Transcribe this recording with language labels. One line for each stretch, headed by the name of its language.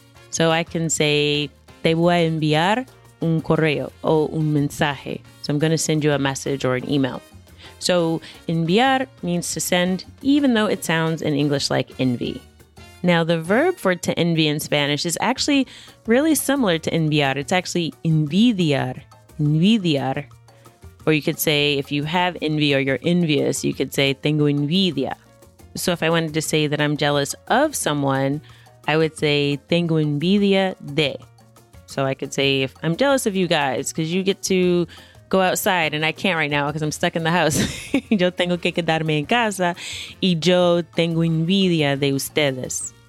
English: So I can say,
Spanish: te voy a enviar un correo o un mensaje.
English: So I'm going to send you a message or an email. So enviar means to send, even though it sounds in English like envy. Now, the verb for to envy in Spanish is actually really similar to enviar. It's actually
Spanish: envidiar, envidiar.
English: Or you could say, if you have envy or you're envious, you could say,
Spanish: tengo envidia.
English: So if I wanted to say that I'm jealous of someone, I would say,
Spanish: tengo envidia de.
English: So I could say, if I'm jealous of you guys because you get to go outside and I can't right now because I'm stuck in the house.
Spanish: Yo tengo que quedarme en casa y yo tengo envidia de ustedes.